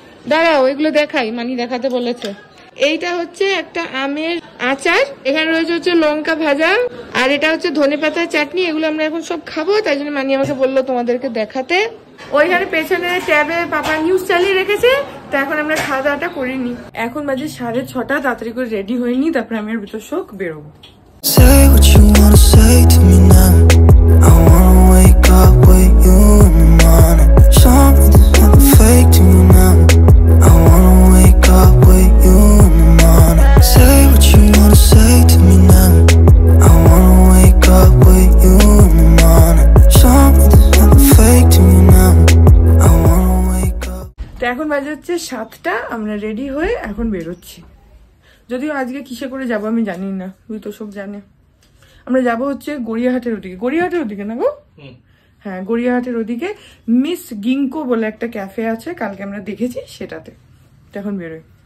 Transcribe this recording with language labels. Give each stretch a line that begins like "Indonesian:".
Bangla: দাঁড়াও, এগুলো দেখাই, মানি দেখাতে বলেছে। এইটা হচ্ছে একটা আমের আচার, এখানে রয়েছে হচ্ছে লঙ্কা ভাজা আর এটা হচ্ছে ধনে পাতার চাটনি। এগুলো আমরা এখন সব খাবো, তাই জন্য মানি আমাকে বললো তোমাদেরকে দেখাতে। ওইখানে পেছনে ট্যাবে পাপা নিউজ চালিয়ে রেখেছে, তো এখন আমরা খাওয়া দাওয়াটা করে নিই। এখন বাজে 6:30, তাড়াতাড়ি করে রেডি হয়ে নিই, তারপরে আমি আর বিতর্ষক বেরোবো।
English: Say what you wanna say to me now, I wanna wake up with you in the morning. Something that's not fake to me now, I wanna wake up with you in the morning. Say what you wanna say to me now, I wanna wake up with you in the morning. Something that's not fake to me now, I wanna wake up.
Bangla: তো এখন বাজে হচ্ছে 7:00, আমরা ready হয়ে এখন বেরোচ্ছি। যদিও আজকে কিসে করে যাবো আমি জানি না, তুই তো সব জানে। আমরা যাবো হচ্ছে গড়িয়াহাটের ওদিকে, গড়িয়াহাটের ওদিকে না গো, হ্যাঁ গড়িয়াহাটের ওদিকে মিস গিঙ্কো বলে একটা ক্যাফে আছে, কালকে আমরা দেখেছি সেটাতে, তখন বেরোই।